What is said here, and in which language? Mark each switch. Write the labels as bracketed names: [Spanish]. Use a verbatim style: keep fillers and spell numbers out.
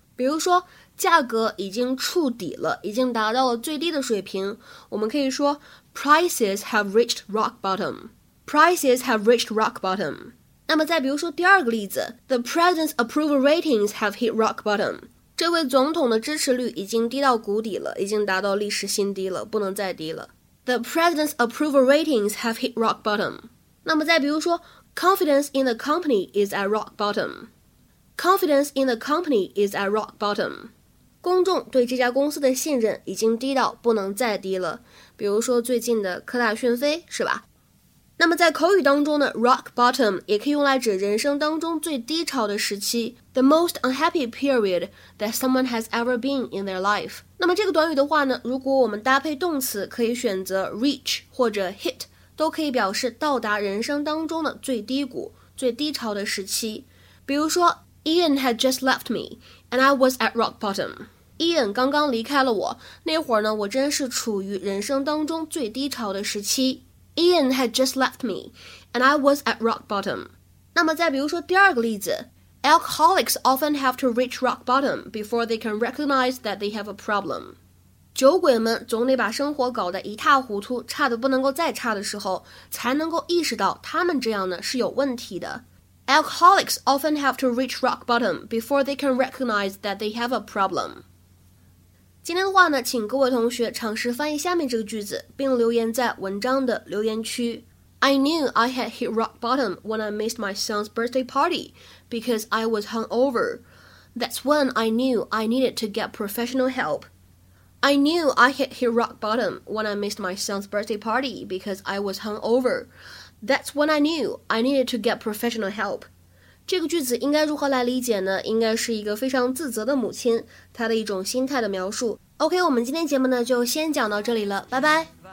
[Chinese] 比如说价格已经触底了，已经达到了最低的水平，我们可以说 [English] prices have reached rock bottom。 Prices have reached rock bottom. [Chinese] 那么再比如说第二个例子 [English] The president's approval ratings have hit rock bottom. [Chinese] 这位总统的支持率已经低到谷底了，已经达到历史新低了，不能再低了。 [English] The president's approval ratings have hit rock bottom. [Chinese] 那么再比如说 [English] Confidence in the company is at rock bottom. Confidence in the company is at rock bottom. [Chinese] 公众对这家公司的信任已经低到不能再低了，比如说最近的科大讯飞，是吧？那么在口语当中呢 rock bottom 也可以用来指人生当中最低潮的时期 [English] the most unhappy period that someone has ever been in their life。 [Chinese] 那么这个短语的话呢，如果我们搭配动词，可以选择 reach 或者 hit， 都可以表示到达人生当中的最低谷，最低潮的时期。比如说 [English] Ian had just left me and I was at rock bottom。 [Chinese] Ian 刚刚离开了我，那会儿呢我真是处于人生当中最低潮的时期。 [English] Ian had just left me, and I was at rock bottom. [Chinese] 那么再比如说第二个例子 [English] Alcoholics often have to reach rock bottom before they can recognize that they have a problem. [Chinese] 酒鬼们总得把生活搞得一塌糊涂，差得不能够再差的时候，才能够意识到他们这样呢是有问题的。 [English] Alcoholics often have to reach rock bottom before they can recognize that they have a problem. [Chinese] 今天的话呢，请各位同学尝试翻译下面这个句子，并留言在文章的留言区。 [English] I knew I had hit rock bottom when I missed my son's birthday party because I was hungover. That's when I knew I needed to get professional help. I knew I had hit rock bottom when I missed my son's birthday party because I was hungover. That's when I knew I needed to get professional help. [Chinese] 这个句子应该如何来理解呢？应该是一个非常自责的母亲，她的一种心态的描述。 OK， 我们今天节目呢就先讲到这里了，拜拜。